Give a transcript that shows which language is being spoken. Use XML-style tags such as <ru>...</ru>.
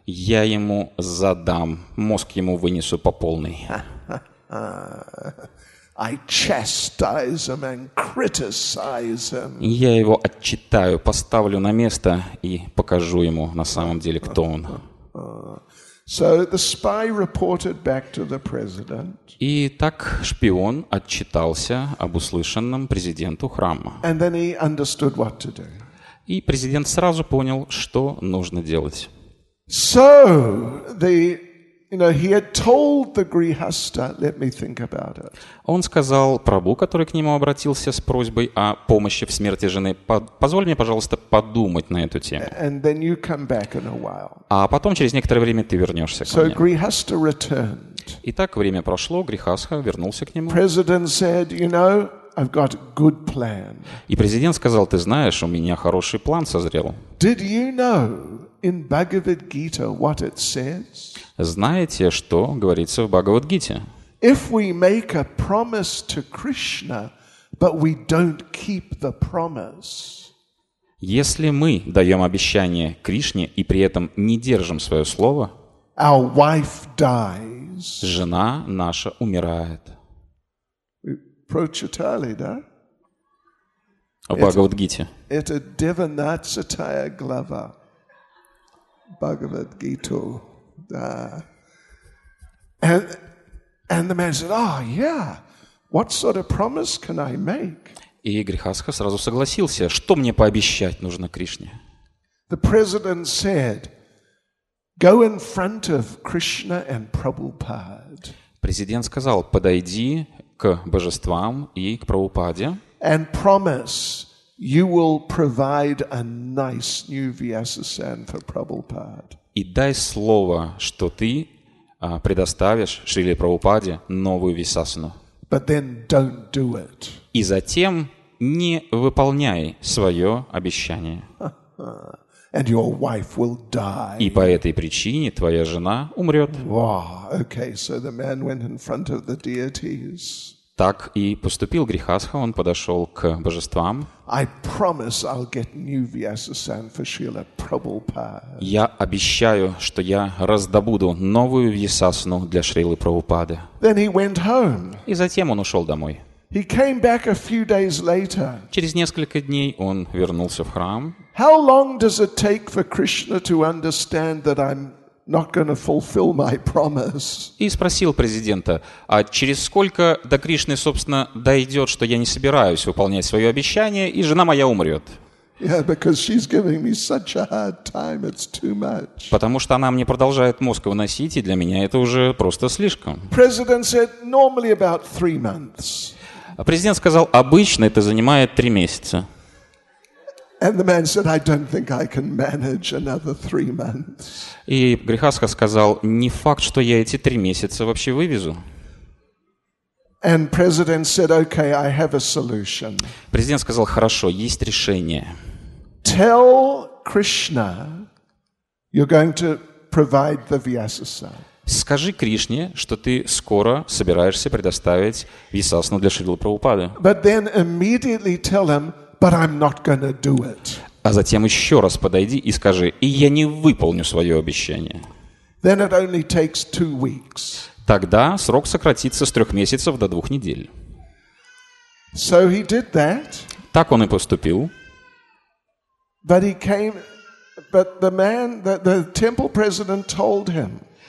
<ru>Я ему задам, мозг ему вынесу по полной.</ru> <en>I chastise him and criticize him.</en> <ru>Я его отчитаю, поставлю на место и покажу ему на самом деле, кто он.</ru> <en>So the spy reported back to the president.</en> <ru>И так шпион отчитался об услышанном президенту храма.</ru> <en>And then he understood what to do.</en> <ru>И президент сразу понял, что нужно делать.</ru> <en>So the, you know, he had told the grihastha, let me think about it.</en> <ru>Он сказал прабу, который к нему обратился с просьбой о помощи в смерти жены: позволь мне, пожалуйста, подумать на эту тему.</ru> <en>And then you come back in a while.</en> <ru>А потом через некоторое время ты вернешься</ru> <en>so</en> <ru>ко мне.</ru> <en>So grihastha returned.</en> <ru>Итак, время прошло, грихастха вернулся к нему.</ru> <en>President said, you know, I've got good plan.</en> <ru>И президент сказал: ты знаешь, у меня хороший план созрел.</ru> <en>Did you know in Bhagavad Gita what it says?</en> <ru>Знаете, что говорится в Бхагавад-гите?</ru> <en>If we make a promise to Krishna, but we don't keep the promise.</en> <ru>Если мы даем обещание Кришне и при этом не держим свое слово,</ru> <en>our wife dies.</en> <ru>Жена наша умирает. Прочитали, да? В Бхагавад-гите. Это 19 глава Бхагавад-гиту. Да.</ru> <en>And the man said, "Oh, yeah. What sort of promise can I make?"</en> <ru>И грихастха сразу согласился: что мне пообещать нужно Кришне?</ru> <en>The president said, "Go in front of Krishna and Prabhupada."</en> <ru>Президент сказал: подойди к божествам и к Прабхупаде.</ru> <en>And promise you will provide a nice new Vyasasan for Prabhupada.</en> <ru>И дай слово, что ты предоставишь Шриле Прабхупаде новую висасану.</ru> <en>But then don't do it.</en> <ru>И затем не выполняй свое обещание.</ru> <en>And your wife will die.</en> <ru>И по этой причине твоя жена умрет.</ru> <en>Wow. Okay. So the man went in front of the deities.</en> <ru>Так и поступил грихастха. Он подошел к божествам.</ru> <en>I promise I'll get new Vyasasan for Srila Prabhupada.</en> <ru>Я обещаю, что я раздобуду новую висасану для Шрилы Прабхупады.</ru> <en>Then he went home.</en> <ru>И затем он ушел домой.</ru> <en>He came back a few days later.</en> <ru>Через несколько дней он вернулся в храм.</ru> <en>How long does it take for Krishna to understand that I'm not going to fulfill my promise?</en> <ru>И спросил президента: а через сколько до Кришны, собственно, дойдет, что я не собираюсь выполнять свое обещание и жена моя умрет?</ru> <en>Yeah, because she's giving me such a hard time. It's too much.</en> <ru>Потому что она мне продолжает мозг выносить, и для меня это уже просто слишком.</ru> <en>President said normally about 3 months.</en> <ru>А президент сказал: обычно это занимает 3 месяца.</ru> <en>And the man said, I don't think I can manage another 3 months.</en> <ru>И грихастха сказал: не факт, что я эти 3 месяца вообще вывезу.</ru> <en>And president said, okay, I have a solution.</en> <ru>Президент сказал: хорошо, есть решение.</ru> <en>Tell Krishna you're going to provide the Vyasasan.</en> <ru>Скажи Кришне, что ты скоро собираешься предоставить висасану для Шрилы Прабхупады.</ru> <en>But then immediately tell him, but I'm not going to do it.</en> <ru>А затем еще раз подойди и скажи: и я не выполню свое обещание.</ru> <en>Then it only takes 2 weeks.</en> <ru>Тогда срок сократится с 3 месяцев до 2 недель.</ru> <en>So he did that.</en> <ru>Так он и поступил.</ru> <en>But he came, but the man, the temple president told him.</en>